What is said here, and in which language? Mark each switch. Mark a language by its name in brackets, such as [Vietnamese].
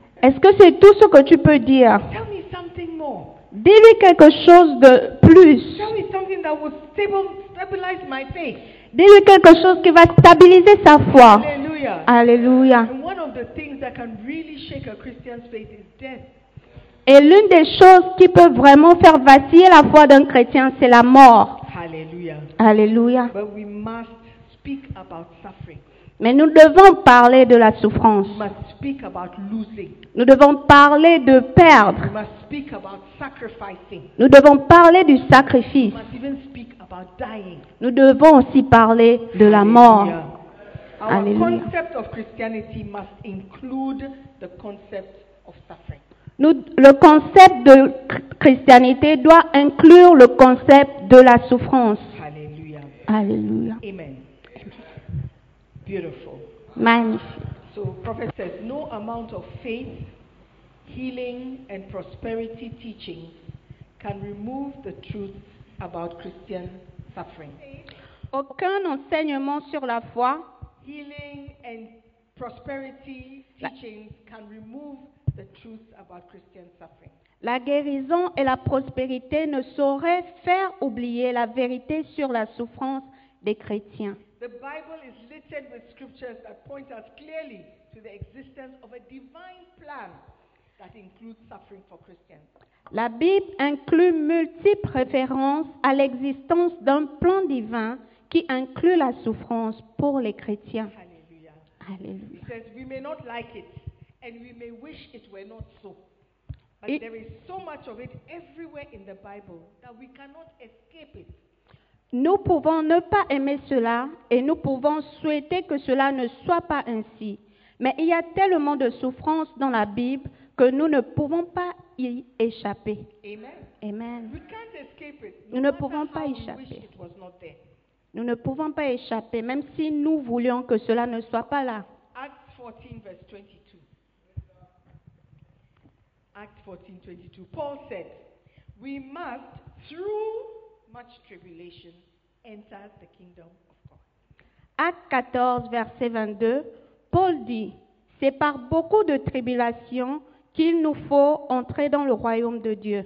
[French] Est-ce que c'est tout ce que tu peux dire? [English] Tell me something more. [French] Dis-lui quelque chose de plus. [English] Tell me something that will stabilize my faith. [French] Dis-lui quelque chose qui va stabiliser sa foi. Alléluia. Alléluia. [English] One of the things that can really shake a Christian's faith is death. [French] Et l'une des choses qui peut vraiment faire vaciller la foi d'un chrétien, c'est la mort. Alléluia. Alléluia. [English] But we must speak about suffering. [French] Mais nous devons parler de la souffrance. [English] We must speak about losing. [French] Nous devons parler de perdre. [English] We must speak about sacrificing. [French] Nous devons parler du sacrifice. [English] We must even speak about dying. [French] Nous devons aussi parler de la mort. Alléluia. [English] Our concept of Christianity must include the concept of suffering. [French] Le concept de christianité doit inclure le concept de la souffrance. Alléluia. Alléluia. [English] Amen. Beautiful. [French] Magnifique. [English] So prophet says, no amount of faith, healing, and prosperity teaching can remove the truth about Christian suffering. [French] Aucun enseignement sur la foi, [English] healing and prosperity teachings can remove the truth about Christian suffering. [French] La guérison et la prospérité ne sauraient faire oublier la vérité sur la souffrance des chrétiens. [English] The Bible is littered with scriptures that point us clearly to the existence of a divine plan that includes suffering for Christians. [French] La Bible inclut multiples références à l'existence d'un plan divin qui inclut la souffrance pour les chrétiens. Alléluia. [English] It says, we may not like it, and we may wish it were not so. But it, there is so much of it everywhere in the Bible that we cannot escape it. [French] Nous pouvons ne pas aimer cela, et nous pouvons souhaiter que cela ne soit pas ainsi. Mais il y a tellement de souffrance dans la Bible que nous ne pouvons pas y échapper. Amen. Amen. [English] We can't escape it. [French] Nous ne pouvons pas échapper. [English] We wish it was not there. [French] Nous ne pouvons pas échapper, même si nous voulions que cela ne soit pas là. [English] Acts 14, verse 22. Acts 14, 22. Paul said, we must, through much tribulation, enter the kingdom of God. [French] Acts 14, verset 22. Paul dit, c'est par beaucoup de tribulations qu'il nous faut entrer dans le royaume de Dieu.